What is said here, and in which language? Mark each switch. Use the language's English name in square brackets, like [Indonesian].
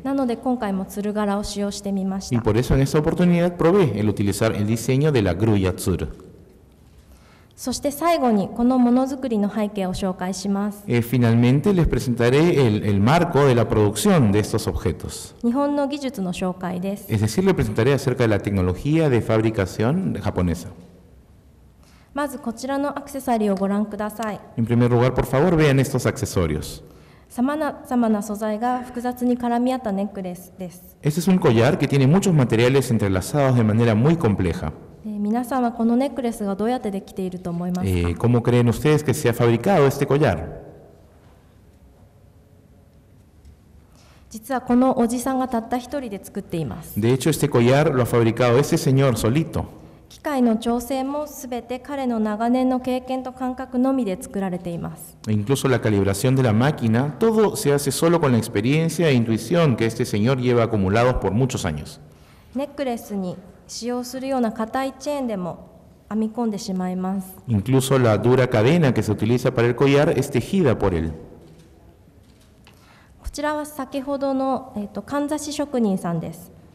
[Japanese] なので今回もツル柄を使用してみました。 [Spanish] Y por eso en esta oportunidad probé el utilizar el diseño de la grulla tsuru. [Japanese] そして最後にこのものづくりの背景を紹介します。 [Spanish] Finalmente les presentaré el marco de la producción de estos objetos. [Japanese] 日本の技術の紹介です。 [Spanish] Es decir, les presentaré acerca de la tecnología de fabricación japonesa. [Japanese] まずこちらのアクセサリーをご覧ください。 [Spanish] En primer lugar, por favor, vean estos accesorios. [Japanese] 様々な素材が複雑に絡み合ったネックレスです。 [Spanish] Este es un collar que tiene muchos materiales entrelazados de manera muy compleja. [Japanese] 皆さんはこのネックレスがどうやってできていると思いますか？ [Spanish] ¿Cómo creen ustedes que se ha fabricado este collar? [Japanese] 実はこのおじさんがたった一人で作っています。 [Spanish] De hecho, este collar lo ha fabricado ese señor solito. [Japanese] 機械の調整もすべて彼の長年の経験と感覚のみで作られています。 [Spanish] Incluso la calibración de la máquina, todo se hace solo con la experiencia e intuición que este señor lleva acumulados por muchos años. [Japanese] ネックレスに使用するような硬いチェーンでも編み込んでしまいます。 [Spanish] Incluso la dura cadena que se utiliza para el collar es tejida por él. [Japanese] こちらは先ほどの、かんざし職人さんです。